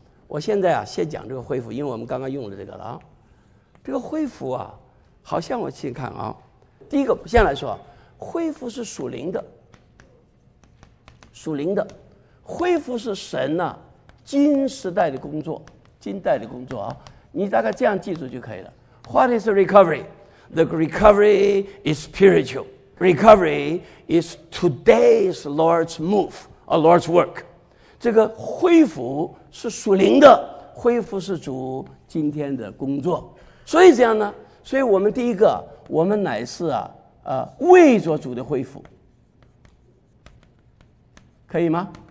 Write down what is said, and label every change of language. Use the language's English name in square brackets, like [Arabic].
[Chinese] 我现在啊，先讲这个恢复，因为我们刚刚用了这个了啊。这个恢复啊，好像我去看啊，第一个先来说，恢复是属灵的，属灵的，恢复是神呐、今时代的工作，今代的工作啊，你大概这样记住就可以了。 [English] What is recovery? The recovery is spiritual. Recovery is today's Lord's move. a Lord's work. [Chinese] 这个恢复是属灵的，恢复是主今天的工作。所以这样呢，所以我们第一个，我们乃是啊，为着主的恢复，可以吗？